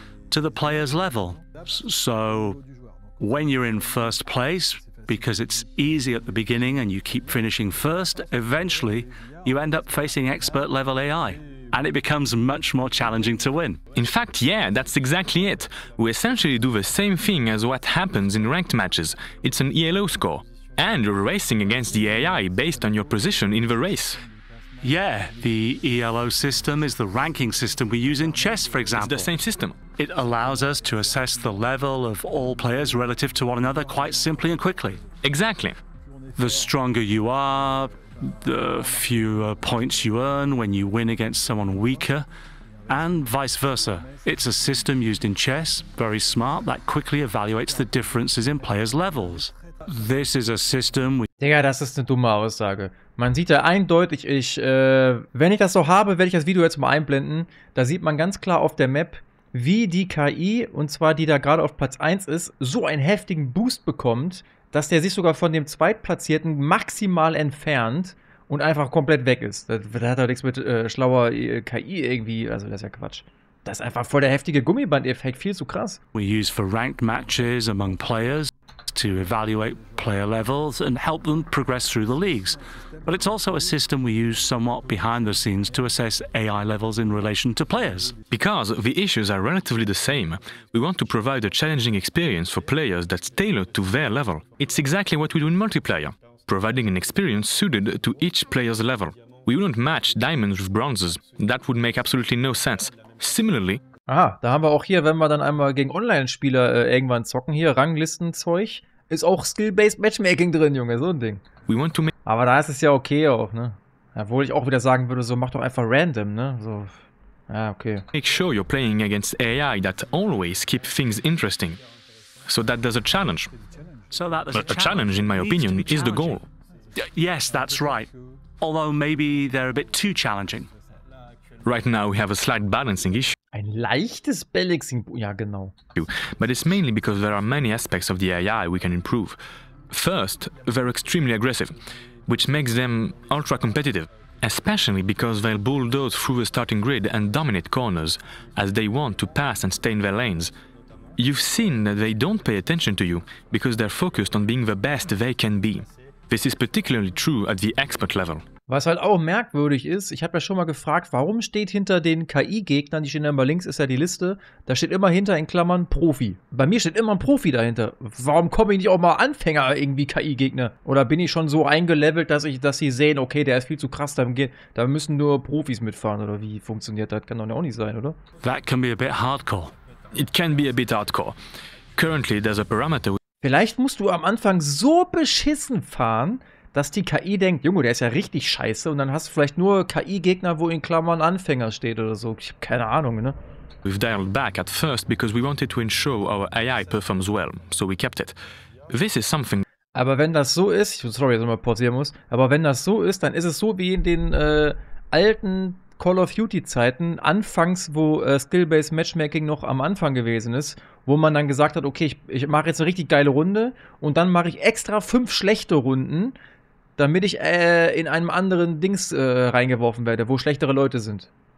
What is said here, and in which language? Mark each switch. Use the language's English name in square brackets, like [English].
[English] To the player's level. So, when you're in first place, because it's easy at the beginning and you keep finishing first, eventually you end up facing expert level AI. And it becomes much more challenging to win. In fact, yeah, that's exactly it. We essentially do the same thing as what happens in ranked matches. It's an ELO score. And you're racing against the AI based on your position in the race. Yeah, the ELO system is the ranking system we use in chess, for example. It's the same system. It allows us to assess the level of all players relative to one another quite simply and quickly. Exactly. The stronger you are, the fewer points you earn when you win against someone weaker, and vice versa. It's a system used in chess, very smart, that quickly evaluates the differences in players' levels. This is a system we... [German] Digga, das ist eine dumme Aussage. Man sieht ja eindeutig, wenn ich das so habe, werde ich das Video jetzt mal einblenden, da sieht man ganz klar auf der Map, wie die KI, und zwar die da gerade auf Platz 1 ist, so einen heftigen Boost bekommt, dass der sich sogar von dem Zweitplatzierten maximal entfernt und einfach komplett weg ist. Das hat doch nichts mit schlauer KI irgendwie, also das ist ja Quatsch. Das ist einfach voll der heftige Gummiband-Effekt, viel zu krass. [English] We use for ranked matches among players to evaluate player levels and help them progress through the leagues. But it's also a system we use somewhat behind the scenes to assess AI levels in relation to players. Because the issues are relatively the same, we want to provide a challenging experience for players that's tailored to their level. It's exactly what we do in multiplayer, providing an experience suited to each player's level. We wouldn't match diamonds with bronzes. That would make absolutely no sense. Similarly, [German] aha, da haben wir auch hier, wenn wir dann einmal gegen Online-Spieler irgendwann zocken, hier Ranglistenzeug, ist auch Skill-Based Matchmaking drin, Junge, so ein Ding. [English] We want to make. [German] Aber da ist es ja okay auch, ne? Obwohl ich auch wieder sagen würde, so mach doch einfach random, ne? So, ja, okay. [English] Make sure you're playing against AI that always keep things interesting. So that there's a challenge. So that there's a challenge, in my opinion, is the goal. Yes, that's right. Although maybe they're a bit too challenging. Right now we have a slight balancing issue. [German] Ein leichtes Balancing, ja genau. [English] But it's mainly because there are many aspects of the AI we can improve. First, they're extremely aggressive, which makes them ultra competitive, especially because they'll bulldoze through the starting grid and dominate corners, as they want to pass and stay in their lanes. You've seen that they don't pay attention to you because they're focused on being the best they can be. This is particularly true at the expert level. [German] Was halt auch merkwürdig ist, ich habe ja schon mal gefragt, warum steht hinter den KI-Gegnern, die stehen da immer links, ist ja die Liste, da steht immer hinter in Klammern Profi. Bei mir steht immer ein Profi dahinter. Warum komme ich nicht auch mal Anfänger irgendwie KI-Gegner? Oder bin ich schon so eingelevelt, dass sie sehen, okay, der ist viel zu krass, da müssen nur Profis mitfahren, oder wie funktioniert das? Kann doch auch nicht sein, oder? [English] That can be a bit hardcore. It can be a bit hardcore. Currently, there's a parameter. [German] Vielleicht musst du am Anfang so beschissen fahren, dass die KI denkt, Junge, der ist ja richtig scheiße, und dann hast du vielleicht nur KI-Gegner, wo in Klammern Anfänger steht oder so. Ich habe keine Ahnung, ne? [English] We've dialed back at first because we wanted to ensure our AI performs well, so we kept it. This is something. [German] Aber wenn das so ist, sorry, dass ich mal pausieren muss, aber wenn das so ist, dann ist es so wie in den alten Call of Duty Zeiten, anfangs, wo Skill-Based Matchmaking noch am Anfang gewesen ist, wo man dann gesagt hat, okay, ich mache jetzt eine richtig geile Runde und dann mache ich extra 5 schlechte Runden, damit ich in einem anderen Dings reingeworfen werde, wo schlechtere Leute sind.